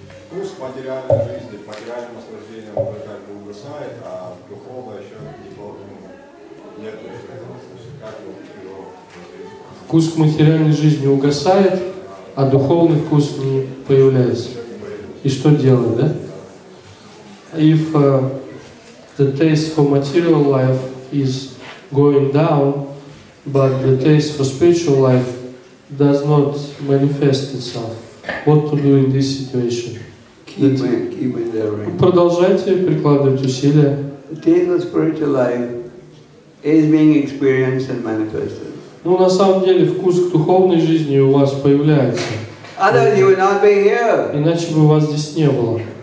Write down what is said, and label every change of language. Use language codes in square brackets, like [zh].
[ru] Вкус материальной жизни, материальным наслаждением уже как бы угасает, а духовное еще нет. Вкус к материальной жизни угасает, а духовный вкус не появляется. И что делать, да? [en] If the taste for material life is going down, but the taste for spiritual life does not manifest itself. What to do in this situation? Keep endeavoring. [ru] Продолжайте прикладывать усилия. [en] The taste of spiritual life is being experienced and manifested. [ru] Ну, на самом деле, вкус к духовной жизни у вас появляется. [en] Otherwise, you would not be here. [ru] Иначе бы вас здесь не было.